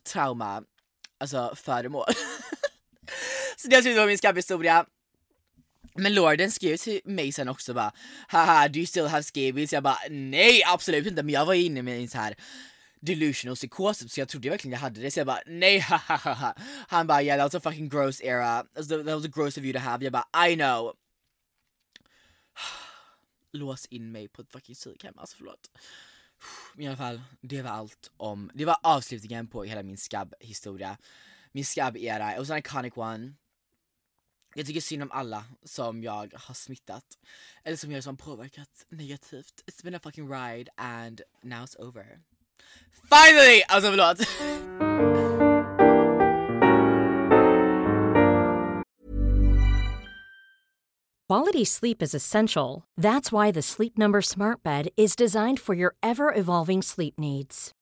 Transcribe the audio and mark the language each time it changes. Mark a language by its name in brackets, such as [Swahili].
[Swedish] Trauma, alltså föremål. Så det är min skabbhistoria. Men Lorden skrev till mig sen också bara, haha, [English] do you still have scabies? [Swedish] Jag bara, nej absolut inte. Men jag var inne med en så här delusional psykos, så jag trodde verkligen jag hade det. Så jag bara, nej, hahaha. Han bara, [English] yeah, that was a fucking gross era. That was a gross of you to have. [Swedish] Jag bara, [English] I know. [Swedish] Lås in mig på ett fucking psykhem. Alltså förlåt. I alla fall, det var allt om, det var avslutningen på hela min skabb-historia. Min skabb-era. [English] It was an iconic one. [Swedish] Jag tycker synd om alla som jag har smittat. Eller som jag har påverkat negativt. [English] It's been a fucking ride and now it's over. Finally! [Swedish] Alltså förlåt. [English] Quality sleep is essential. That's why the Sleep Number Smart Bed is designed for your ever-evolving sleep needs.